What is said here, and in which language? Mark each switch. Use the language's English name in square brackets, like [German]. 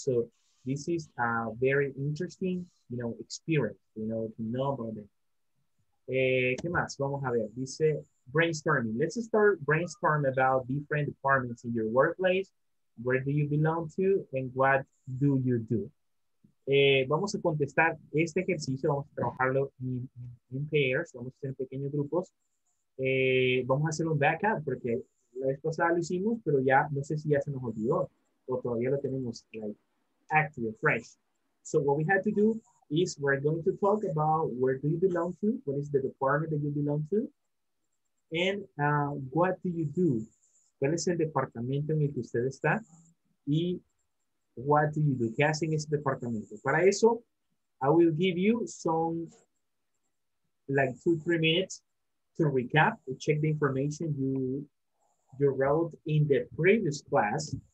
[English] So this is a very interesting, you know, experience, you know, to know about it. [Spanish] ¿Qué más? Vamos a ver. Dice [English] brainstorming. Let's start brainstorming about different departments in your workplace. Where do you belong to and what do you do? [Spanish] Vamos a contestar este ejercicio, vamos a trabajarlo en pairs, vamos a hacer pequeños grupos. Vamos a hacer un backup porque la vez pasada lo hicimos, pero ya no sé si ya se nos olvidó o todavía lo tenemos [English] like active, fresh. So what we had to do is we're going to talk about where do you belong to, what is the department that you belong to, and what do you do, [Spanish] cuál es el departamento en el que usted está, [English] y what do you do? [Spanish] ¿Qué hacen ese departamento? Para eso, [English] I will give you some, like 2-3 minutes to recap, to check the information you wrote in the previous class.